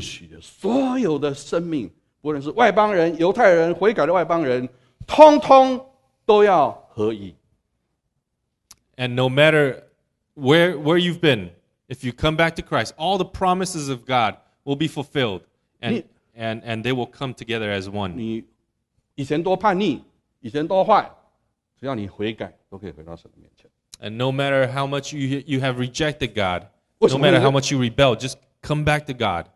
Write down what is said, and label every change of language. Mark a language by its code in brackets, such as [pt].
[zh] 有一天神所应许的所有的生命, 不论是外邦人, 犹太人, 悔改的外邦人, 通通都要合一。 [en] And no matter where you've been, if you come back to Christ, all the promises of God will be fulfilled. And [zh] 你, [en] And they will come together as one. [zh] 你以前多叛逆, 以前多坏, 只要你悔改, [en] and no matter how much you have rejected God, [zh] 为什么, [en] no matter how much you rebel, just come back to God.